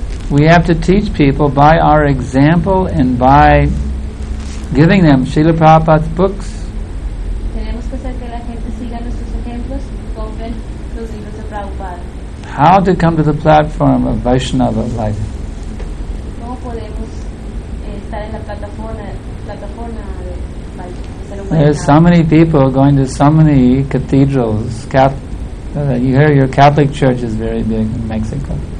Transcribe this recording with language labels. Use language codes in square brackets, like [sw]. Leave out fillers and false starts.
[en] We have to teach people by our example and by giving them Srila Prabhupada's books. [es] templos compren los libros de Prabhupada. [en] How to come to the platform of Vaishnava life? [es] ¿Cómo podemos estar en la plataforma de Vaishnava? [en] There are so many people going to so many cathedrals. You hear your Catholic church is very big in Mexico.